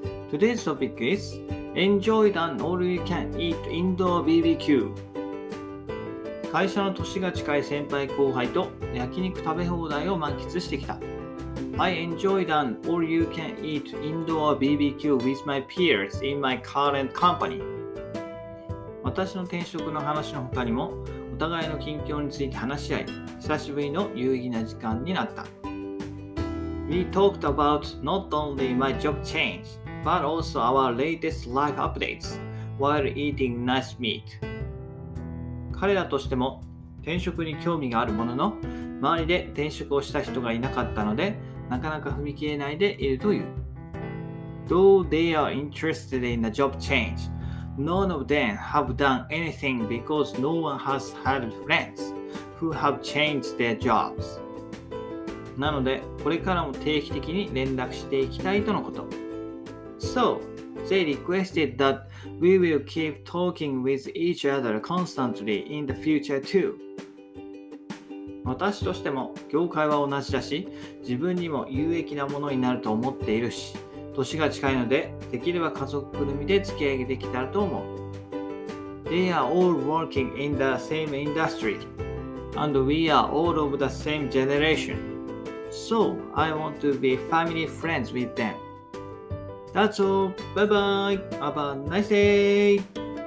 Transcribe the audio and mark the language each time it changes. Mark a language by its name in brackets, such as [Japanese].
[English] Today's topic is Enjoy the All-You-Can-Eat Indoor BBQ. [Japanese] 会社の年が近い先輩後輩と焼肉食べ放題を満喫してきた。 [English] I enjoyed an all-you-can-eat indoor BBQ with my peers in my current company. [Japanese] 私の転職の話の他にも、お互いの近況について話し合い、久しぶりの有意義な時間になった。 [English] We talked about not only my job change, but also our latest life updates while eating nice meat. [Japanese] 彼らとしても転職に興味があるものの、周りで転職をした人がいなかったので、なかなか踏み切れないでいるという。 [English] Though they are interested in the job change, none of them have done anything because no one has had friends who have changed their jobs. [Japanese] なので、これからも定期的に連絡していきたいとのこと。 [English] So, they requested that we will keep talking with each other constantly in the future too. [Japanese] 私としても業界は同じだし、自分にも有益なものになると思っているし、年が近いので、できれば家族ぐるみで付き合いできたらと思う。 [English] They are all working in the same industry, and we are all of the same generation. So, I want to be family friends with them. That's all. Bye bye. Have a nice day.